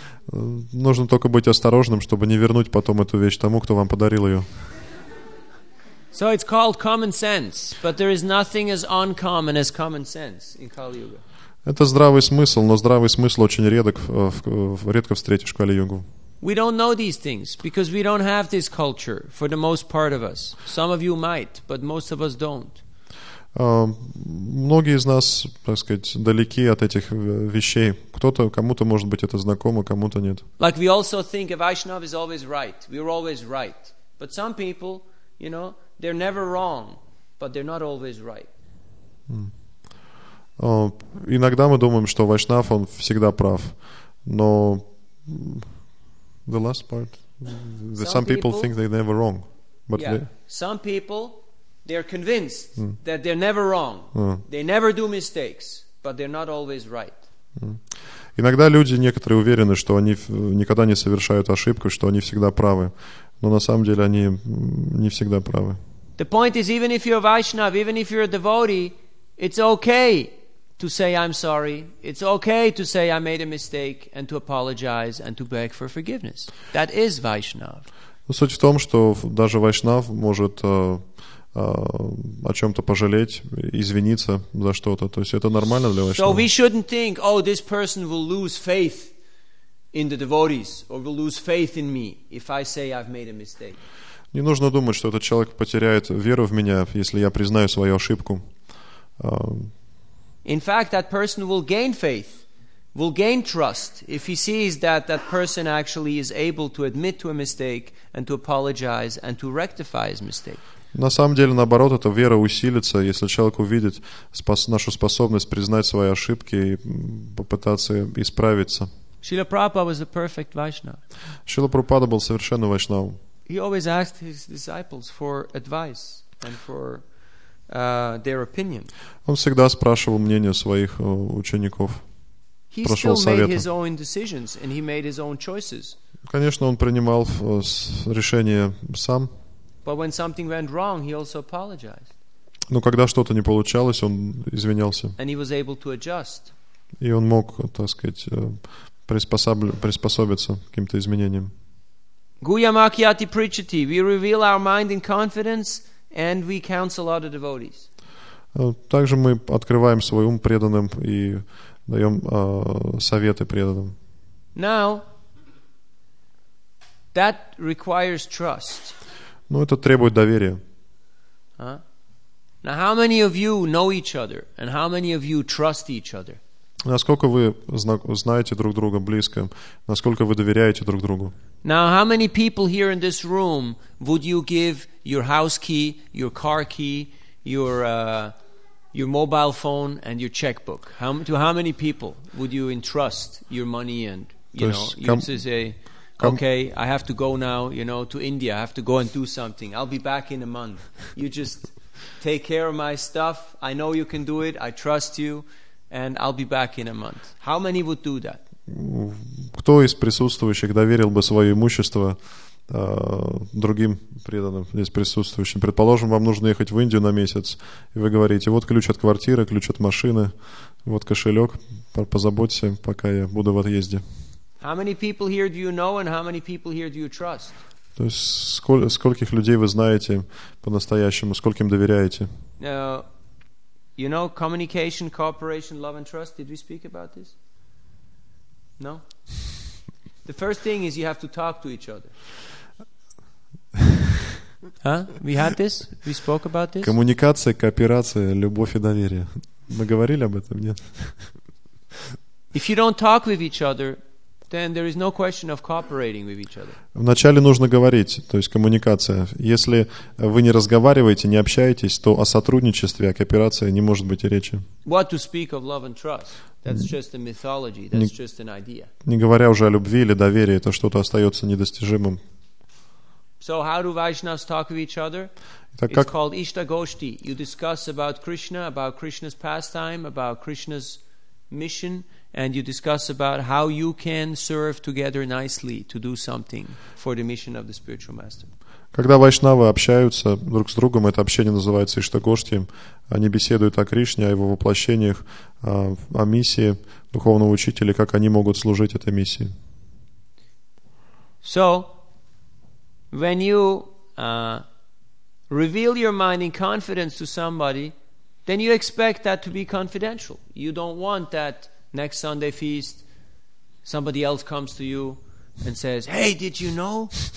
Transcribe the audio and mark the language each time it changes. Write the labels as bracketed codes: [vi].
[ru] Нужно только быть осторожным, чтобы не вернуть потом эту вещь тому, кто вам подарил ее. [en] So it's called common sense, but there is nothing as uncommon as common sense in Kali Yuga. [ru] Это здравый смысл, но здравый смысл очень редко встретишь в Кали-Югу. [en] We don't know these things because we don't have this culture for the most part of us. Some of you might, but most of us don't. [ru] Многие из нас, так сказать, далеки от этих вещей. Кто-то, кому-то, может быть, это знакомо, кому-то нет. [en] Like we also think of Vaishnav is always right. We're always right. But some people, you know, they're never wrong, but they're not always right. [ru] Иногда мы думаем, что Вайшнав, он всегда прав. Но [en] the last part, some people think they're never wrong. But yeah. Some people, they're convinced that they're never wrong. They never do mistakes, but they're not always right. [ru] Иногда люди некоторые уверены, что они никогда не совершают ошибку, что они всегда правы. Но на самом деле они не всегда правы. [en] The point is, even if you're a Vaishnav, even if you're a devotee, it's okay to say I'm sorry. It's okay to say I made a mistake and to apologize and to beg for forgiveness. That is Vaishnav. [ru] Суть в том, что даже Вайшнав может о чем-то пожалеть, извиниться за что-то. То есть это нормально для Вайшнава. [en] So we shouldn't think, oh, this person will lose faith in the devotees or will lose faith in me if I say I've made a mistake. [ru] Не нужно думать, что этот человек потеряет веру в меня, если я признаю свою ошибку. [en] In fact, that person will gain faith, will gain trust if he sees that that person actually is able to admit to a mistake and to apologize and to rectify his mistake. [ru] На самом деле, наоборот, эта вера усилится, если человек увидит нашу способность признать свои ошибки и попытаться исправиться. [en] Srila Prabhupada was a perfect Vaishnava. [ru] Srila Prabhupada был совершенным Вайшнавом. [en] He always asked his disciples for advice and for their opinion. [ru] Он всегда спрашивал мнение своих учеников. [en] He still made his own decisions and he made his own choices. [ru] Конечно, он принимал решение сам. [en] But when something went wrong, he also apologized. [ru] Но когда что-то не получалось, он извинялся. [en] And he was able to adjust. [ru] И он мог, так сказать, приспособиться к каким-то изменениям. [sa] Guhyam akhyati prichati. [en] We reveal our mind in confidence and we counsel other devotees. [ru] Также мы открываем свой ум преданным и даем советы преданным. [en] Now, that requires trust. [ru] Ну, это требует доверия. [en] Now, how many of you know each other and how many of you trust each other? [ru] Насколько вы знаете друг друга близко, насколько вы доверяете друг другу? [en] Now, how many people here in this room would you give your house key, your car key, your mobile phone and your checkbook? To how many people would you entrust your money and, okay, I have to go now, to India, I have to go and do something, I'll be back in a month. You just take care of my stuff, I know you can do it, I trust you. And I'll be back in a month. How many would do that? [ru] Кто из присутствующих доверил бы свое имущество другим преданным здесь присутствующим? Предположим, вам нужно ехать в Индию на месяц, и вы говорите: вот ключ от квартиры, ключ от машины, вот кошелек, позаботься, пока я буду в отъезде. [en] How many people here do you know, and how many people here do you trust? [ru] То есть скольких людей вы знаете по-настоящему, скольким доверяете? [en] Communication, cooperation, love and trust. Did we speak about this? No? The first thing is you have to talk to each other. We had this? We spoke about this? [ru] Коммуникация, кооперация, любовь и доверие. Мы говорили об этом, нет? [en] If you don't talk with each other, then there is no question of cooperating with each other. [ru] Вначале нужно говорить, то есть коммуникация. Если вы не разговариваете, не общаетесь, то о сотрудничестве, о кооперации не может быть и речи. [en] What to speak of love and trust? That's just a mythology. That's just an idea. [ru] Не говоря уже о любви или доверии, это что-то остается недостижимым. [en] So how do Vaishnavas talk with each other? It's called Ishta Goshti. You discuss about Krishna, about Krishna's pastime, about Krishna's mission. And you discuss about how you can serve together nicely to do something for the mission of the spiritual master. [ru] Когда вайшнавы общаются друг с другом, это общение называется Иштагошти. Они беседуют о Кришне, о его воплощениях, о миссии духовного учителя, как они могут служить этой миссии. [en] So, when you reveal your mind in confidence to somebody, then you expect that to be confidential. You don't want that. Next Sunday feast, somebody else comes to you and says, "Hey, did you know?